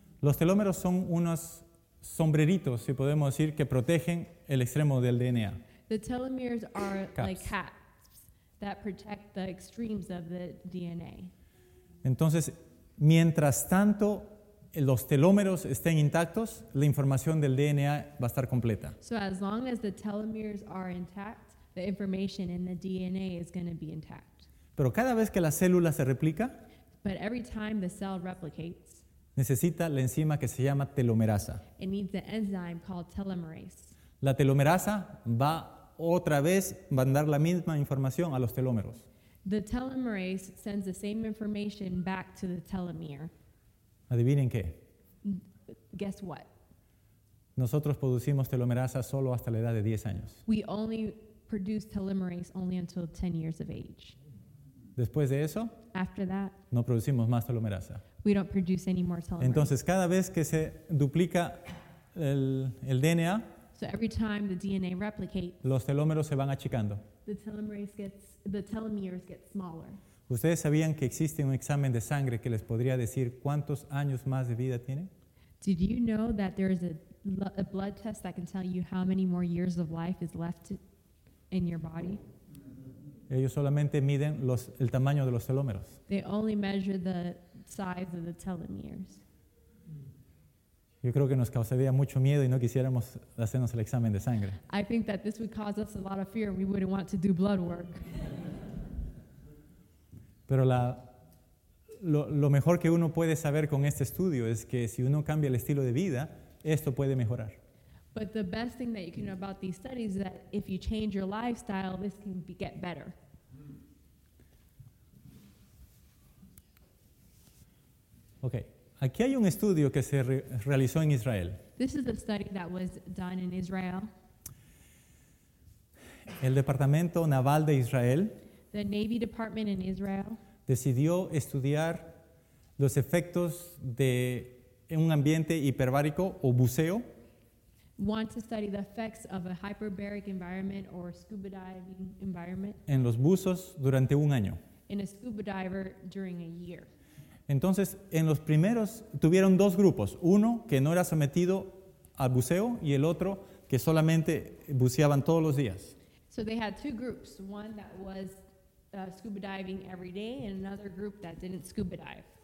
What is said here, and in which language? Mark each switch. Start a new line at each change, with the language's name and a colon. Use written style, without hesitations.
Spanish: Los telómeros son unos sombreritos, si podemos decir, que protegen el extremo del DNA.
English: The telomeres are caps. Like caps that protect the extremes of the DNA.
Spanish: Entonces, mientras tanto los telómeros estén intactos, la información del DNA va a estar completa.
English: So as long as the telomeres are intact, the information in the DNA is going to be intact.
Spanish: Pero cada vez que la célula se replica,
English: but every time the cell replicates,
Spanish: necesita la enzima que se llama telomerasa.
English: It needs the enzyme called telomerase.
Spanish: La telomerasa va otra vez mandar la misma información a los telómeros.
English: The telomerase sends the same information back to the telomere.
Spanish: ¿Adivinen qué?
English: Guess what?
Spanish: Nosotros producimos telomerasa solo hasta la edad de 10 años.
English: We only produce telomerase only until 10 years of age.
Spanish: Después de eso,
English: after that,
Spanish: no producimos más telomerasa.
English: We don't produce any more telomerase.
Spanish: Entonces, cada vez que se duplica el DNA,
English: so every time the DNA replicates,
Spanish: los telómeros se van achicando.
English: The telomeres get smaller.
Spanish: ¿Ustedes sabían que existe un examen de sangre que les podría decir cuántos años más de vida tienen?
English: Did you know that there is a blood test that can tell you how many more years of life is left in your body?
Spanish: Ellos solamente miden el tamaño de los telómeros.
English: They only measure the size of the telomeres.
Spanish: Yo creo que nos causaría mucho miedo y no quisiéramos hacernos el examen de sangre.
English: I think that this would cause us a lot of fear and we wouldn't want to do blood work.
Spanish: Pero lo mejor que uno puede saber con este estudio es que si uno cambia el estilo de vida, esto puede mejorar.
English: But the best thing that you can know about these studies is that if you change your lifestyle, this can get better. Okay.
Spanish: Aquí hay un estudio que se realizó en Israel.
English: This is a study that was done in Israel.
Spanish: El Departamento Naval de Israel,
English: the Navy Department in Israel,
Spanish: decidió estudiar los efectos de un ambiente hiperbárico o buceo.
English: Want to study the effects of a hyperbaric environment or scuba diving environment.
Spanish: En los buzos durante un año.
English: In a scuba diver during a year.
Spanish: Entonces, en los primeros tuvieron dos grupos, uno que no era sometido al buceo y el otro que solamente buceaban todos los días.
English: So they had two groups, one that was scuba diving every day and another group that didn't scuba dive.